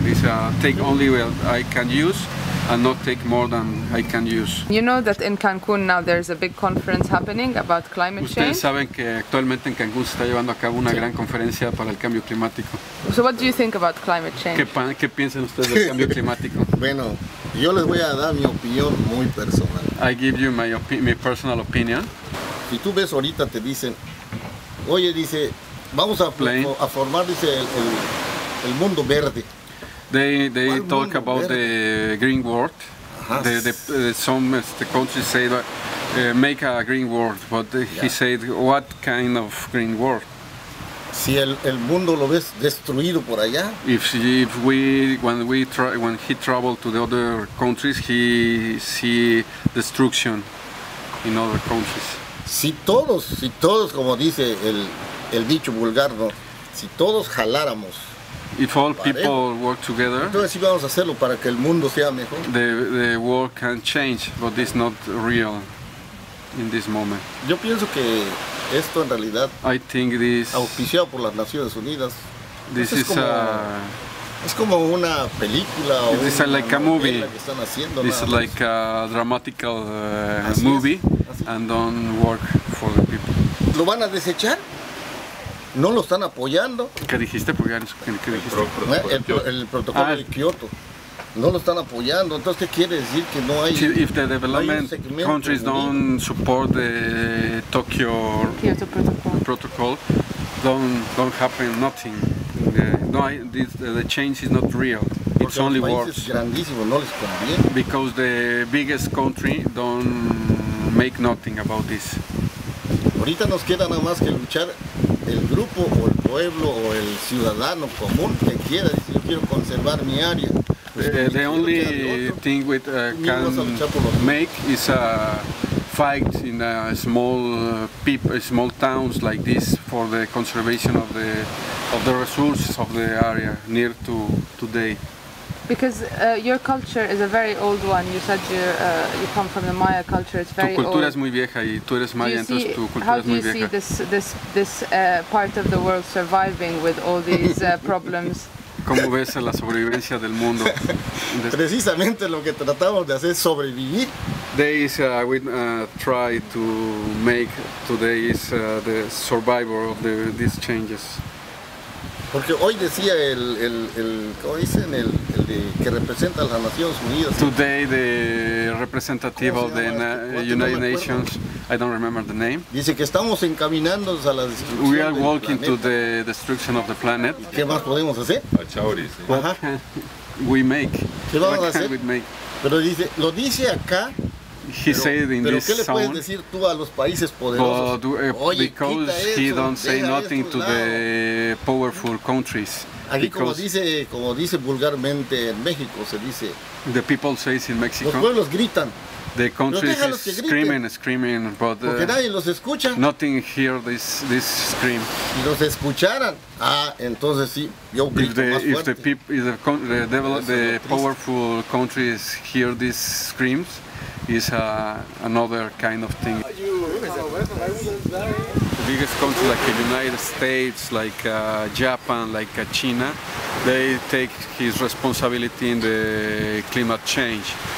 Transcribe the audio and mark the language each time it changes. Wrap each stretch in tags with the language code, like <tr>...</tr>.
<en>This take only what I can use. And not take more than I can use. You know that in Cancun now there's a big conference happening about climate change.</en> <es>Ustedes saben que actualmente en Cancún se está llevando a cabo una gran conferencia para el cambio climático.</es> <en>So what do you think about climate change?</en> <es>¿Qué piensan ustedes del cambio climático? Bueno, yo les voy a dar mi opinión muy personal.</es> <en>I give you my personal opinion.</en> <es>Si tú ves ahorita te dicen, oye, dice, vamos a formar, dice, el mundo verde.</es> <en>They talk about the green world. Some countries say that make a green world, but he said what kind of green world?</en> <es>Si el mundo lo ves destruido por allá.</es> <en>When he traveled to the other countries, he see destruction in other countries.</en> <es>Si todos como dice el dicho vulgar, ¿no? Si todos jaláramos.</es> <en>If all people work together,</en> <es>entonces, vamos a hacerlo para que el mundo sea mejor.</es> <en>The world can change, but it's not real in this moment.</en> <es>Yo pienso que esto en realidad,</es> <en>I think this,</en> <es>auspiciado por las Naciones Unidas,</es> <en>this</en> <es>es</es> <en>is</en> <es>como una película o</es> <en>this</en> <es>una</es> <en>is like a movie.</en> <es>Que están haciendo,</es> <en>this is like a dramatical movie and don't work for the people.</en> <es>¿Lo van a desechar? No lo están apoyando. ¿Qué dijiste? ¿Qué dijiste? El protocolo de Kioto. No lo están apoyando. Entonces, ¿qué quiere decir que no hay?</es> <en>If the development no countries don't support the Kyoto protocol, don't happen nothing. The change is not real.</en> <es>Porque</es> <en>it's only words.</en> <es>Grandísimo, no les conviene.</es> <en>Because the biggest country don't make nothing about this.</en> <es>Ahorita nos queda nada más que luchar. El grupo o el pueblo o el ciudadano común que quiera decir yo quiero conservar mi área.</es> <en>The only thing we can make is fight in small towns like this for the conservation of the resources of the area near to today. Because your culture is a very old one. You said you come from the Maya culture. It's very old.</en> <es>Tu cultura es muy vieja y tú eres maya, entonces tu cultura es muy vieja.</es> <en>How do you see this part of the world surviving with all these problems?</en> <es>¿Cómo ves la sobrevivencia del mundo? Precisamente lo que tratamos de hacer es sobrevivir.</es> <en>We try to make today is the survivor of these changes.</en> <es>Porque hoy decía el ¿cómo dicen? El de, que representa a las Naciones Unidas.</es> <en>Today the representative of the United Nations, I don't remember the name.</en> <es>Dice que estamos encaminándonos a la destrucción del planeta.</es> <en>We are walking to the destruction of the planet.</en> <es>¿Qué más podemos hacer? A Chauri, sí.</es> <en>We make.</en> <es>¿Qué vamos a hacer?</es> <en>We make.</en> <es>Pero dice, lo dice acá.</es> <en>He said in this zone, but because he don't say nothing to the powerful countries.</en> <es>Aquí como dice vulgarmente en México, se dice.</es> <en>The people says in Mexico.</en> <es>Los pueblos gritan.</es> <en>The countries screaming, but</en> <es>porque nadie los escucha.</es> <en>Nothing hear this scream.</en> <es>Si los escucharan, entonces sí, yo grito más fuerte.</es> <en>If the powerful countries hear these screams, is another kind of thing. The biggest countries like the United States, like Japan, like China, they take his responsibility in the climate change.</en>